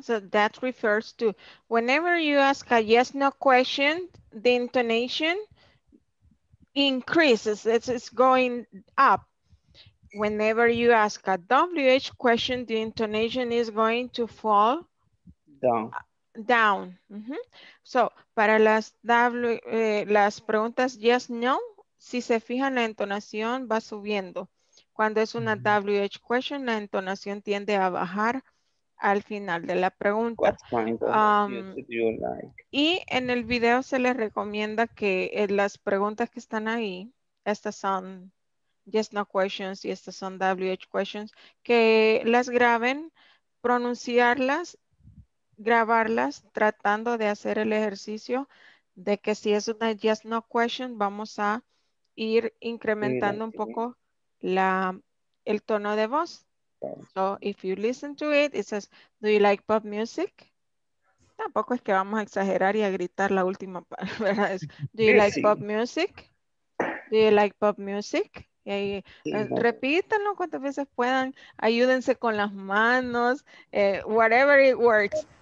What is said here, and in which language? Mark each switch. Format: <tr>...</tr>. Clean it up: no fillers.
<en>So that refers to whenever you ask a yes, no question, the intonation increases. It's going up. Whenever you ask a WH question, the intonation is going to fall down. Down. Mm-hmm.</en> <es>So, para las W, las preguntas yes, no, si se fijan, la entonación va subiendo. Cuando es una WH question, la entonación tiende a bajar al final de la pregunta.</es> <en>What kind of music do you like?</en> <es>Y en el video se les recomienda que las preguntas que están ahí, estas son yes, no questions y estas son WH questions, que las graben, pronunciarlas, grabarlas tratando de hacer el ejercicio de que si es una yes no question vamos a ir incrementando un poco el tono de voz.</es> <en>So if you listen to it, it says, do you like pop music?</en> <es>Tampoco es que vamos a exagerar y a gritar la última palabra.</es> <en>Do you like pop music? Do you like pop music?</en> <es>Y ahí, repítanlo cuantas veces puedan, ayúdense con las manos,</es> <en>whatever it works.</en>